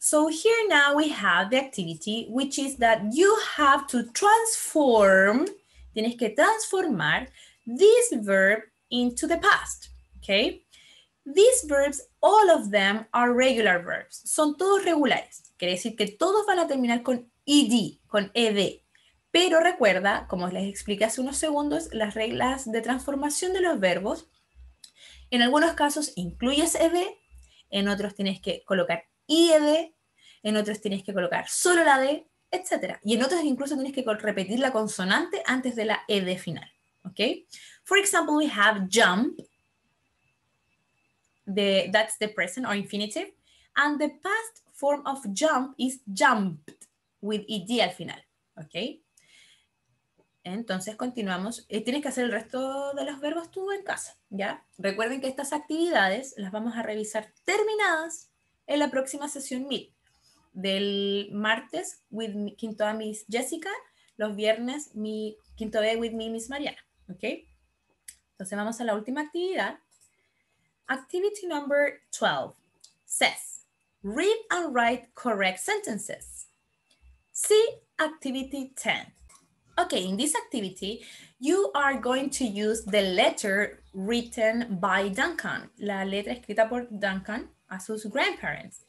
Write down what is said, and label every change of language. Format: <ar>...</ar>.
<en>So here now we have the activity, which is that you have to transform,</en> <es>tienes que transformar</es> <en>this verb into the past. ¿Ok? These verbs, all of them are regular verbs.</en> <es>Son todos regulares. Quiere decir que todos van a terminar con ed, con ed. Pero recuerda, como les expliqué hace unos segundos, las reglas de transformación de los verbos, en algunos casos incluyes ed, en otros tienes que colocar ied, en otros tienes que colocar solo la d, etc. Y en otros incluso tienes que repetir la consonante antes de la ed final.</es> <en>¿Okay? For example, we have jump. That's the present or infinitive. And the past form of jump is jumped with ed</en> <es>al final. ¿Ok? Entonces continuamos. Tienes que hacer el resto de los verbos tú en casa. ¿Ya? Recuerden que estas actividades las vamos a revisar terminadas en la próxima sesión Meet. Del martes, with quinto A, Miss Jessica. Los viernes, mi quinto B, with me, Miss Mariana. ¿Ok? Entonces vamos a la última actividad.</es> <en>Activity number 12 says, read and write correct sentences. See activity 10. Okay, in this activity, you are going to use the letter written by Duncan.</en> <es>La letra escrita por Duncan a sus grandparents.</es>